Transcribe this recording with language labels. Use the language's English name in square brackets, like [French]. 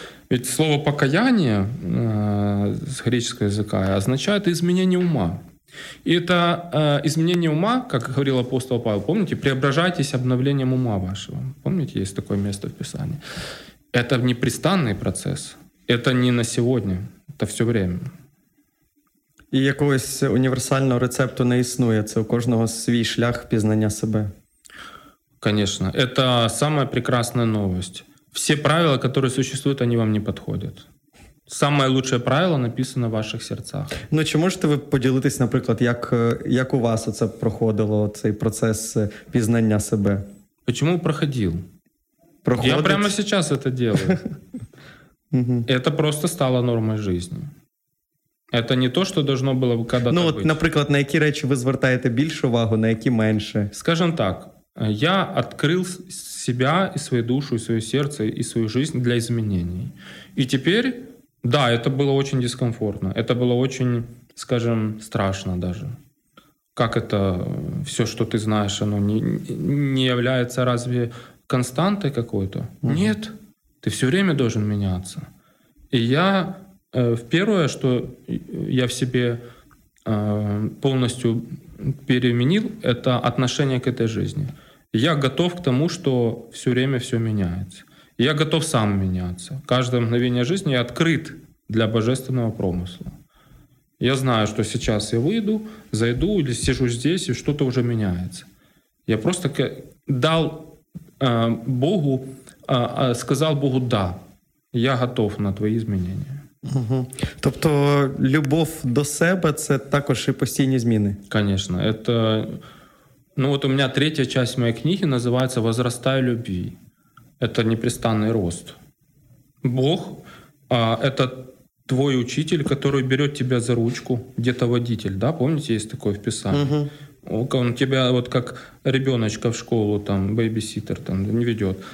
[Russian] Ведь слово «покаяние» с греческого языка означает изменение ума. И это изменение ума, как говорил апостол Павел, помните, преображайтесь обновлением ума вашего. Помните, есть такое место в Писании. Это непрестанный процесс. Это не на сегодня, это все время. [Ukrainian] И якогось универсального рецепту не існує. Це у кожного свій шлях пізнання себе. [Russian] Конечно, это самая прекрасная новость. Все правила, которые существуют, они вам не подходят. Самое лучшее правило написано в ваших сердцах. [Ukrainian] Ну, чи можете ви поділитись, наприклад, як у вас оце проходило, цей процес пізнання себе? [Russian] Почему проходил? Я прямо сейчас это делаю. Это просто стало нормой жизни. Это не то, что должно было когда-то ну, вот, быть. [Ukrainian] Ну, наприклад, на які речі ви звертаєте більшу увагу, на які менше? [Russian] Скажем так. Я открыл себя и свою душу, и свое сердце, и свою жизнь для изменений. И теперь, да, это было очень дискомфортно. Это было очень, скажем, страшно даже. Как это все, что ты знаешь, оно не является разве константой какой-то? Угу. Нет, ты все время должен меняться. И я, первое, что я в себе полностью переменил, это отношение к этой жизни. Я готов к тому, что все время все меняется. Я готов сам меняться. Каждое мгновение жизни я открыт для божественного промысла. Я знаю, что сейчас я выйду, зайду или сижу здесь, и что-то уже меняется. Я просто дал Богу, сказал Богу «да». Я готов на твои изменения. Угу. [Ukrainian] Тобто любов до себе – це також і постійні зміни? [Russian] Конечно. Это... Ну вот у меня третья часть моей книги называется «Возрастай любви». Это непрестанный рост. Бог – это твой учитель, который берет тебя за ручку, где-то водитель, да? Помните, есть такое в Писании? Угу. Он тебя вот как ребеночка в школу, там, бейбиситер там, не ведет.